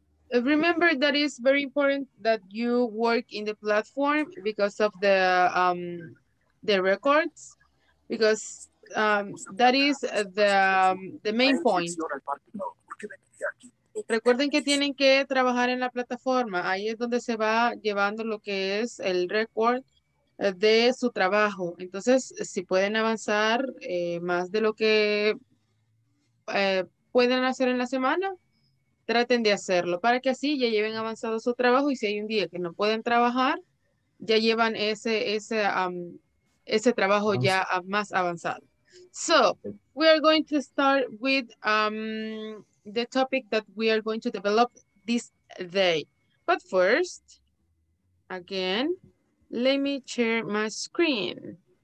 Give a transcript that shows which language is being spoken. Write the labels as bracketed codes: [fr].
[en] Remember that it's very important that you work in the platform because of the records, because that is the main point. [es] Recuerden que tienen que trabajar en la plataforma. Ahí es donde se va llevando lo que es el record de su trabajo. Entonces, si pueden avanzar más de lo que pueden hacer en la semana, traten de hacerlo para que así ya lleven avanzado su trabajo. Y si hay un día que no pueden trabajar, ya llevan ese trabajo ya más avanzado. [en] So, we are going to start with the topic that we are going to develop this day. But first, again, let me share my screen.